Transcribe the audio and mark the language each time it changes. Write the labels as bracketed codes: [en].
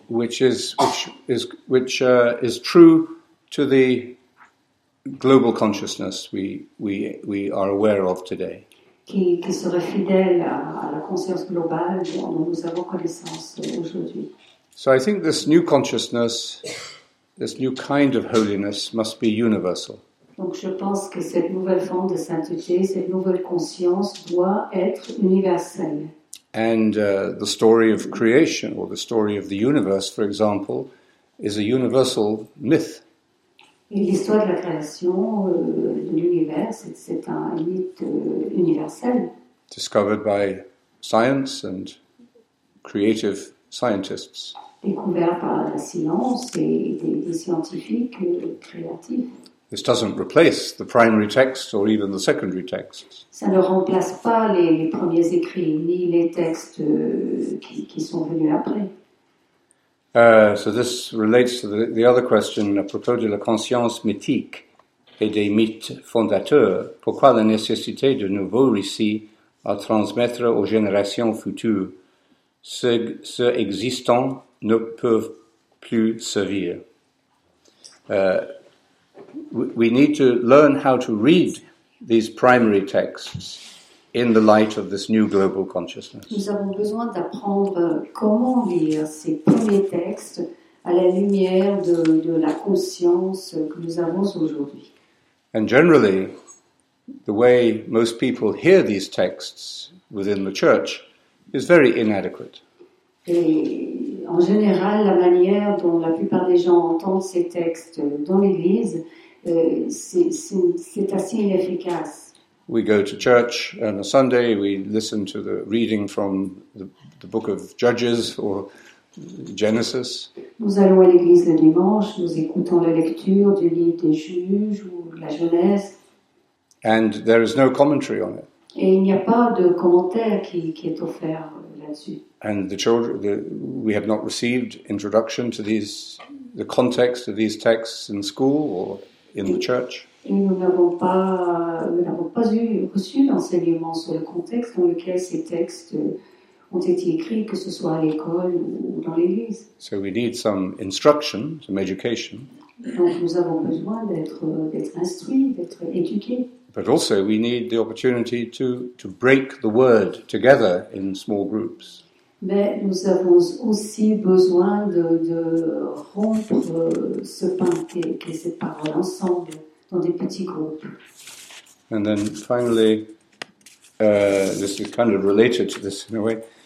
[en] Which is true to the global consciousness we are aware of today. [fr] Qui serait fidèle à la conscience globale dont nous avons connaissance aujourd'hui. [en] So I think this new consciousness, this new kind of holiness must be universal. [fr] Donc je pense que cette nouvelle forme de sainteté, cette nouvelle conscience doit être universelle. [en] And the story of creation or the story of the universe, for example, is a universal myth. [fr] Et l'histoire de la création de l'univers, c'est un mythe universel. [en] Discovered by science and creative scientists. [fr] Découvert par la science et des scientifiques créatifs. [en] This doesn't replace the primary texts or even the secondary texts. [fr] Ça ne remplace pas les premiers écrits ni les textes qui sont venus après. [en] So this relates to the other question, [fr] à propos de la conscience mythique et des mythes fondateurs, pourquoi la nécessité de nouveaux récits à transmettre aux générations futures, ce existant ne peuvent plus servir. [en] We need to learn how to read these primary texts in the light of this new global consciousness. [fr] Nous avons besoin d'apprendre comment lire ces premiers textes à la lumière de la conscience que nous avons aujourd'hui. [en] And generally, the way most people hear these texts within the church is very inadequate. [fr] Et en général, la manière dont la plupart des gens entendent ces textes dans l'église, c'est assez inefficace. [en] We go to church on a Sunday, we listen to the reading from the book of Judges or Genesis. [fr] Nous allons à l'église le dimanche, nous écoutons la lecture du livre des Juges ou de la Genèse. [en] And there is no commentary on it. [fr] Et il n'y a pas de commentaire qui est offert là-dessus. [en] And the children, we have not received introduction to the context of these texts in school or in the church. [fr] Et nous n'avons pas reçu l'enseignement sur le contexte dans lequel ces textes ont été écrits, que ce soit à l'école ou dans l'église. [en] So we need some instruction, some education. [fr] Donc nous avons besoin d'être instruits, d'être éduqués. [en] But also we need the opportunity to break the word together in small groups. [fr] Mais nous avons aussi besoin de rompre ce pain et cette parole ensemble. Dans des petits groupes. [en] And then finally, this is kind of related to this in a way.